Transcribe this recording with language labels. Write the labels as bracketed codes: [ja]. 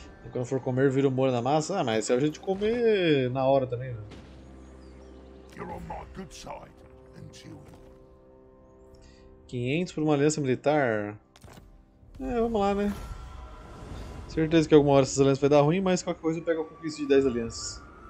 [pt] Quando for comer, vira o molho na massa. Ah, mas se a gente comer na hora também. [en] You're on my good side, until... [pt] 500 por uma aliança militar? É, vamos lá, né? Certeza que alguma hora essas alianças vai dar ruim, mas qualquer coisa eu pego a conquista de 10 alianças.